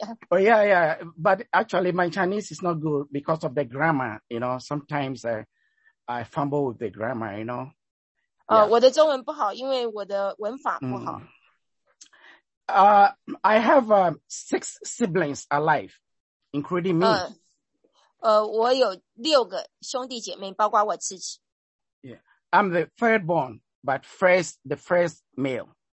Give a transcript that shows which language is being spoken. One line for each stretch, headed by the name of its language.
English: but actually my Chinese is not good because of the grammar， you know， sometimes I fumble with the grammar， you know，
Chinese: 我的中文不好，因为我的文法不好。
English: I have six siblings alive, including me.
Chinese: 我有六个兄弟姐妹，包括我自己。
English: Yeah, I'm the third born, but the first male.